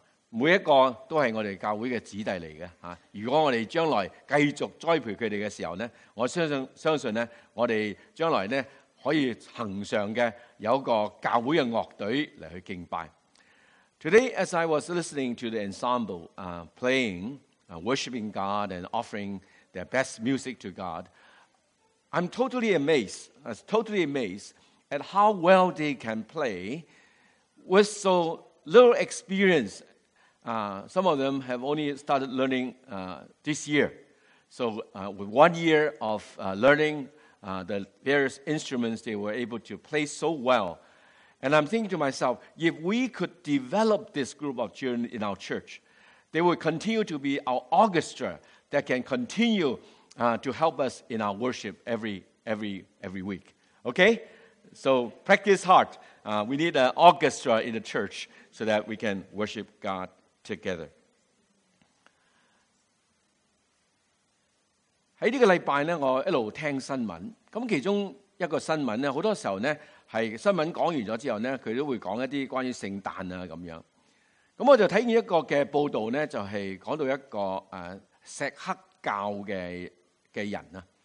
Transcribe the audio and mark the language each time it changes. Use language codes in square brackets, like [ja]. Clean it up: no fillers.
[zh] 每一个都是我们教会的子弟来的，如果我们将来继续栽培他们的时候，我相信我们将来可以恒常的有一个教会的乐队来去敬拜。 [en] Today as I was listening to the ensemble playing, worshiping God and offering their best music to God, I'm totally amazed, at how well they can play with so little experience. Some of them have only started learning this year. So with 1 year of learning the various instruments, they were able to play so well. And I'm thinking to myself, if we could develop this group of children in our church, they will continue to be our orchestra that can continue to help us in our worship every week. Okay? So practice hard. We need an orchestra in the church so that we can worship God together. [zh] 在这个礼拜呢，我一路听新闻，其中一个新闻呢，很多时候呢，是新闻讲完了之后呢，他都会讲一些关于圣诞啊这样。那我就看见一个的报道呢，就是讲到一个锡克教 的人啊。